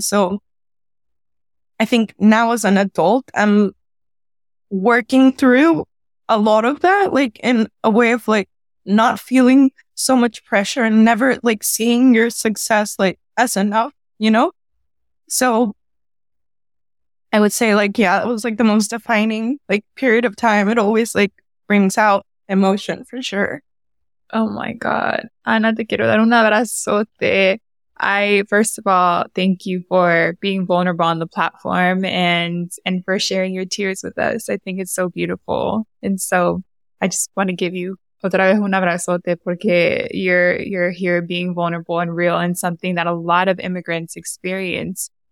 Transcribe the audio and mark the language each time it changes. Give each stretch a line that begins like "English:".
English: So I think now as an adult, I'm working through a lot of that, like in a way of like not feeling so much pressure and never like seeing your success like as enough, you know? So I would say like, yeah, it was like the most defining like period of time. It always like brings out emotion for sure. Oh my God.
Spanish: Ana, te quiero dar un abrazote.
English: First of all, thank you for being vulnerable on the platform and for sharing your tears with us. I think it's so beautiful. And so I just want to give you
Spanish: otra vez un abrazote porque
English: you're here being vulnerable and real and something that a lot of immigrants experience.